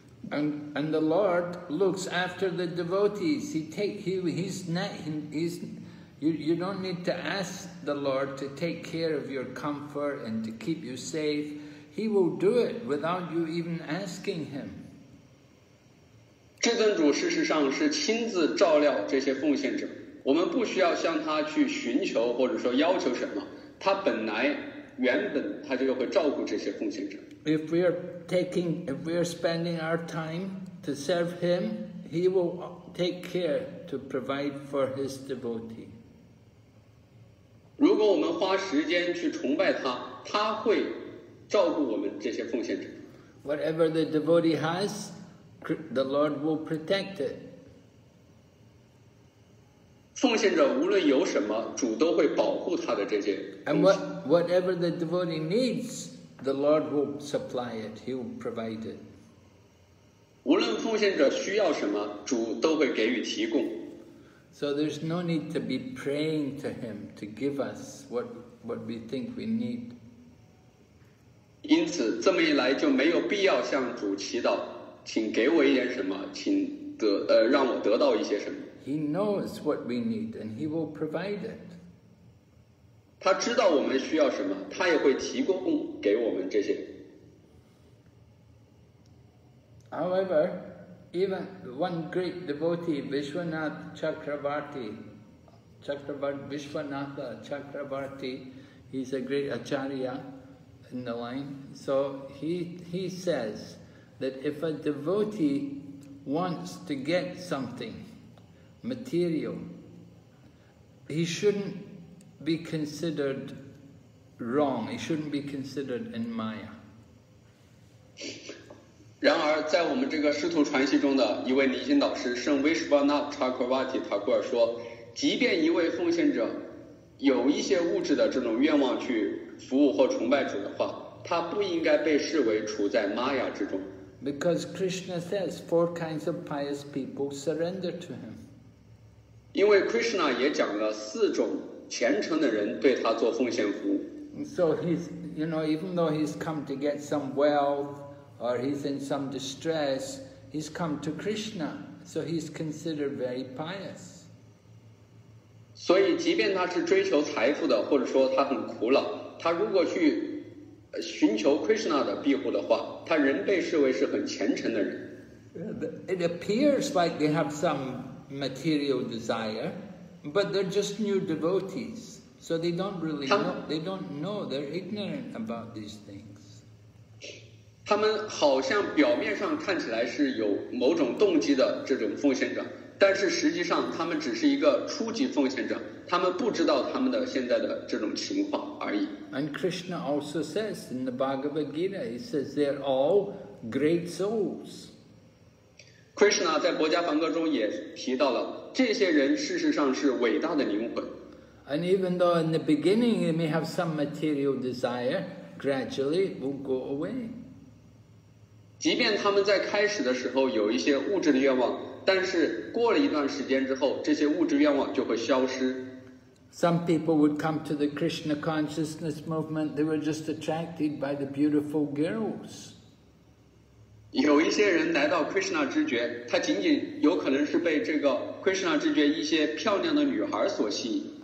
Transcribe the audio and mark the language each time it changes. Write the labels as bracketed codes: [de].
[en] And the Lord looks after the devotees. You don't need to ask the Lord to take care of your comfort and to keep you safe. He will do it without you even asking him. [zh] 至尊主事实上是亲自照料这些奉献者。我们不需要向他去寻求或者说要求什么。他本来原本他就会照顾这些奉献者。 [en] If we are spending our time to serve him, he will take care to provide for his devotee. [zh] 如果我们花时间去崇拜他，他会照顾我们这些奉献者。 [en] Whatever the devotee has, the Lord will protect it. [zh] 奉献者无论有什么，主都会保护他的这些。 [en] And whatever the devotee needs, the Lord will supply it. He will provide it. [zh] 无论奉献者需要什么，主都会给予提供。 [en] So there's no need to be praying to him to give us what we think we need. [zh] 因此，这么一来就没有必要向主祈祷，请给我一点什么，请得让我得到一些什么。 [en] He knows what we need, and he will provide it. [zh] 他知道我们需要什么，他也会提供给我们这些。 [en] However, even one great devotee, Vishwanatha Chakravarti, he's a great acharya. In the line, so he says that if a devotee wants to get something material, he shouldn't be considered wrong. He shouldn't be considered in Maya. [zh] 然而，在我们这个师徒传习中的一位离心导师圣维什巴纳查克瓦提塔库尔说，即便一位奉献者有一些物质的这种愿望去。服务或崇拜主的话，他不应该被视为处在玛雅之中。 [en] Because Krishna says four kinds of pious people surrender to him. [zh] 因为 Krishna 也讲了四种虔诚的人对他做奉献服务。 [en] So he's, you know, even though he's come to get some wealth or he's in some distress, he's come to Krishna, so he's considered very pious. [zh] 所以，即便他是追求财富的，或者说他很苦恼。他如果去寻求 Krishna 的庇护的话，他仍被视为是很虔诚的人。 [en] It appears like they have some material desire, but they're just new devotees, so they don't really know. They don't know. They're ignorant about these things. [zh] 他们好像表面上看起来是有某种动机的这种奉献者，但是实际上他们只是一个初级奉献者。他们不知道他们的现在的这种情况而已。 [en] And Krishna also says in the Bhagavad Gita, he says they're all great souls. [zh] Krishna 在《薄伽梵歌》中也提到了，这些人事实上是伟大的灵魂。 [en] And even though in the beginning they may have some material desire, gradually it will go away. [zh] 即便他们在开始的时候有一些物质的愿望，但是过了一段时间之后，这些物质愿望就会消失。 [en] Some people would come to the Krishna consciousness movement, they were just attracted by the beautiful girls. [zh] 有一些人来到 Krishna 知觉，他仅仅有可能是被这个 Krishna 知觉一些漂亮的女孩所吸引。